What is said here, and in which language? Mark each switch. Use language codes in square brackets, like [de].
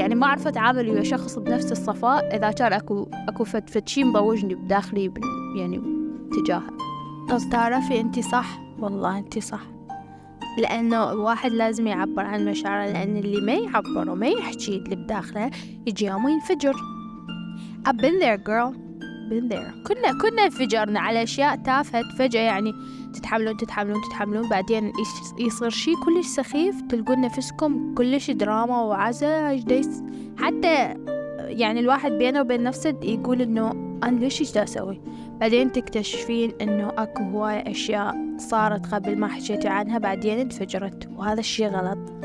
[ar] يعني ما أعرف أتعامل ويا شخص بنفس الصفاء إذا كان أكو فتشي مضوجني بداخلي يعني تجاهه. تعرفي انت صح، والله انت صح، لانه الواحد لازم يعبر عن مشاعره، لان اللي ما يعبر وما يحكي اللي بداخله يجي يوم ينفجر. [en] I've been there girl, been there. [ar] كنا انفجرنا على اشياء تافهه، فجاه يعني تتحملون بعدين يصير شيء كلش سخيف، تلقون نفسكم كلش دراما وعزا جديس. حتى يعني الواحد بينه وبين نفسه يقول انه أنا ليش إيش دا أسوي؟ بعدين تكتشفين إنه أكو هواي أشياء صارت قبل ما حكيت عنها بعدين انفجرت، وهذا الشيء غلط.